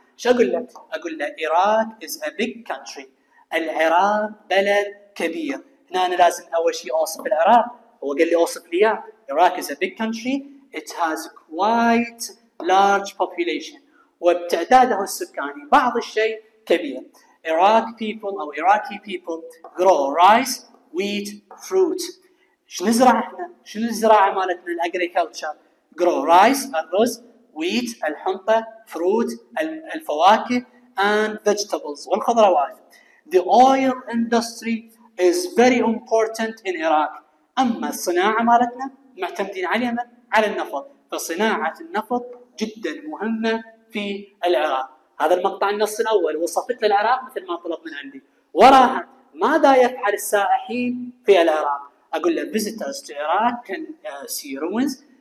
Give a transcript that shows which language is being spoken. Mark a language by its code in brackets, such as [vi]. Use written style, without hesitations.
[ar] شو اقول لك؟ اقول لك [en] Iraq is a big country. [ar] العراق بلد كبير. هنا انا لازم اول شيء اوصف العراق. هو قال لي اوصف لي اياه. [en] Iraq is a big country. It has quite large population. [ar] وبتعداده السكاني بعض الشيء كبير. [en] Iraq people او Iraqi people grow rice, wheat, fruit. [ar] شو نزرع احنا؟ شنو الزراعه مالتنا؟ الاجريكلتشر. [en] grow rice الرز، wheat الحنطه، fruit الفواكه، and vegetables والخضروات. the oil industry is very important in Iraq. [ar] اما الصناعه مالتنا معتمدين عليها على النفط، فصناعه النفط جدا مهمه في العراق. هذا المقطع النص الاول وصفت للعراق مثل ما طلب من عندي. وراها ماذا يفعل السائحين في العراق؟ أقول له [en] visitors to Iraq can see ruins.